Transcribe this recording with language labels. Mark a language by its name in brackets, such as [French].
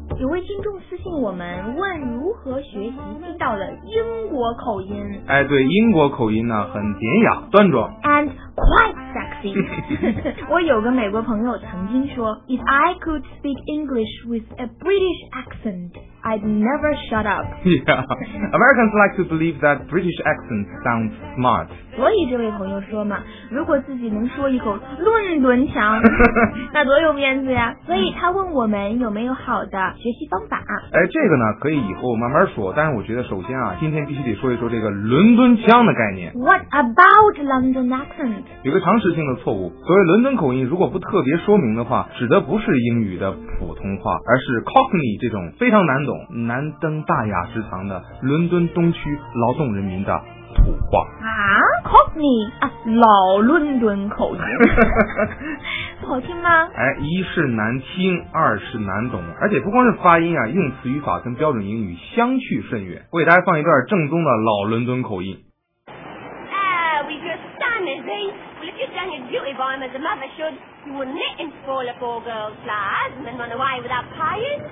[Chinese] 位听众私信我们问如何学习地道的英国口音。哎，对，英国口音呢很典雅端庄 [English] and quite sexy [Chinese] 我有个美国朋友曾经说 [English] If I could speak English with a British accentI'd never shut up. Yeah, Americans like to believe that British accents sound smart. [Chinese] 所以这位朋友说嘛，如果自己能说一口伦敦腔，那多有面子呀。所以他问我们有没有好的学习方法。哎，这个呢，可以以后慢慢说。但是我觉得首先啊，今天必须得说一说这个伦敦腔的概念。 [English] What about London accent? [Chinese] 有个常识性的错误，所谓伦敦口音，如果不特别说明的话，指的不是英语的普通话，而是 Cockney 这种非常难懂难登大雅之堂的伦敦东区劳动人民的土话啊 Cockney 啊，老伦敦口音不好听吗？哎，一是难听，二是难懂，而且不光是发音啊，用词语法跟标准英语相去甚远。我给大家放一段正宗的老伦敦口音。 [English] Well, if you'd done your duty by him as a mother should, you wouldn't let him spoil a poor girl's lives and then run away without paying.